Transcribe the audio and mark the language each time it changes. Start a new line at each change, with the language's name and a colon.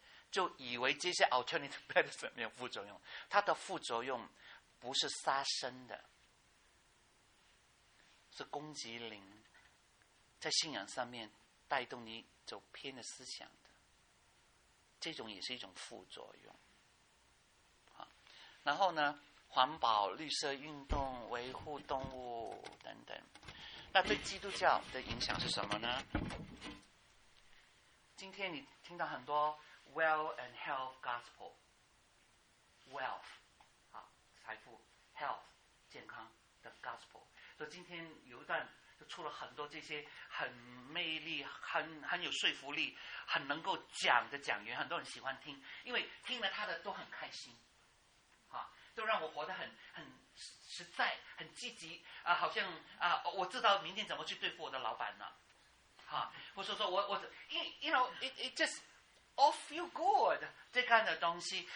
Chinese: 就以为这些 alternative medicine 没有副作用，它的副作用不是杀生的，是攻击灵，在信仰上面带动你走偏的思想的，这种也是一种副作用。好，然后呢，环保、绿色运动、维护动物等等，那对基督教的影响是什么呢？今天你听到很多
English: Wealth and health gospel，
Chinese: wealth， 好，财富 ，health， 健康的 gospel。所以今天有一段就出了很多这些很魅力、很有说服力、很能够讲的讲员，很多人喜欢听，因为听了他的都很开心，啊，都让我活得很实在、很积极啊，好像啊，我知道明天怎么去对付我的老板了，啊，或者说我
English: you know it just all feel good
Chinese: 这样的东西。